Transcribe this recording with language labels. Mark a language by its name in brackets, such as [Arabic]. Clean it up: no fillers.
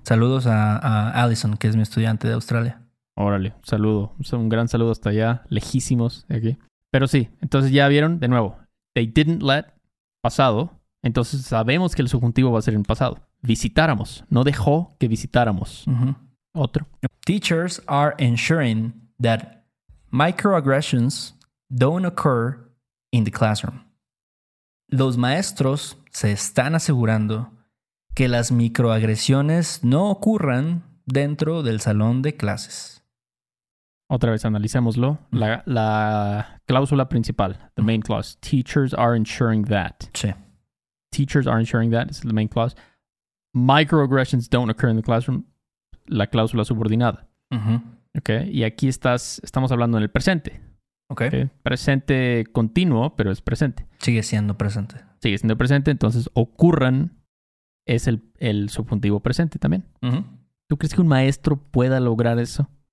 [Spanish] Saludos a Allison, que es mi estudiante de Australia. Órale, saludo. Un gran saludo hasta allá, lejísimos de aquí. Pero sí, entonces ya vieron, de nuevo, [English] they didn't let [Spanish] pasado. Entonces sabemos que el subjuntivo va a ser en pasado. Visitáramos, no dejó que visitáramos. Uh-huh. Otro. [English] Teachers are ensuring that microaggressions don't occur in the classroom. [Spanish] Los maestros se están asegurando que las microagresiones no ocurran dentro del salón de clases. Otra vez, analicémoslo. La cláusula principal, [English] the main clause. Teachers are ensuring that. [Spanish] Sí. [English] Teachers are ensuring that. It's the main clause. Microaggressions don't occur in the classroom. [Spanish] La cláusula subordinada. Uh-huh. Okay. Y aquí estamos hablando en el presente. [English] Okay. Okay. [Spanish] Presente continuo, pero es presente. Sigue siendo presente. Sigue siendo presente. Entonces, ocurran es el subjuntivo presente también. Uh-huh. ¿Tú crees que un maestro pueda lograr eso?